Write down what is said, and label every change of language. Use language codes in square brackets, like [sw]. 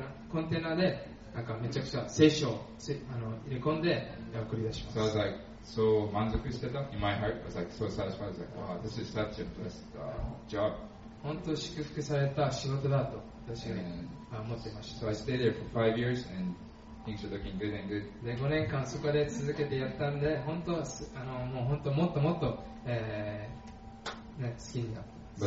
[ja] コンテナでなんかめちゃくちゃ聖書を入れ込んで送り出します [en] 。So I was like, so [ja] 満足してた [en] in my heart. I was like, so satisfied. I was like, wow, this is such a blessed job. [ja] 本当祝福された仕事だと私は思ってました。 [en] So I stayed there for 5 years and things were looking good and good. [ja] で、5年間そこで続けてやったんで、本当もう本当もっともっと、ね、好きになった。